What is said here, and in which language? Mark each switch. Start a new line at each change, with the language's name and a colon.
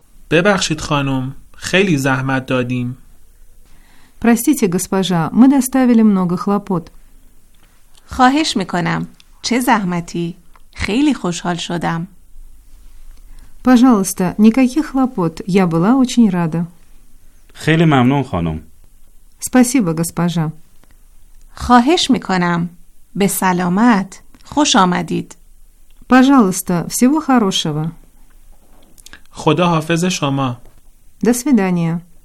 Persian: ببخشید خانم، خیلی زحمت دادیم.
Russian: Простите, госпожа, мы доставили много хлопот.
Persian: خواهش میکنم، چه زحمتی؟ خیلی خوشحال شدم.
Russian: Пожалуйста, никаких хлопот. Я была очень рада.
Persian: خیلی ممنون خانم.
Russian: Спасибо, госпожа.
Persian: خواهش میکنم، به سلامت، خوش آمدید.
Russian: Пожалуйста, всего хорошего.
Persian: خدا حافظ شما.
Russian: До свидания.